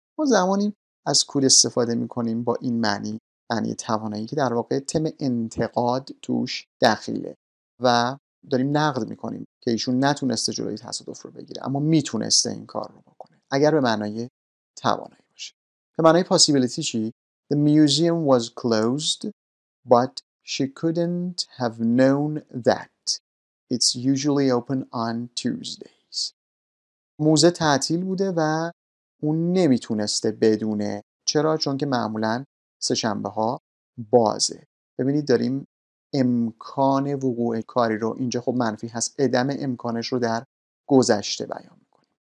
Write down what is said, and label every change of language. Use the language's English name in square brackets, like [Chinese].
[Persian] ما زمانی از could استفاده میکنیم با این معنی، معنی توانایی که در واقع تم انتقاد توش دخیله و داریم نقد میکنیم که ایشون نتونسته جلوی تصادف رو بگیره اما میتونسته این کار رو بکنه، اگر به معنای توانایی باشه. به معنای [English] possibility چی؟ The museum was closed, but she couldn't have known that. It's usually open on Tuesdays. [Persian] موزه تعطیل بوده و اون نمیتونسته بدونه. چرا؟ چون که معمولاً سه‌شنبه ها بازه. ببینید داریم امکان وقوع کاری رو، اینجا خب منفی هست، عدم امکانش رو در گذشته بیان میکنیم.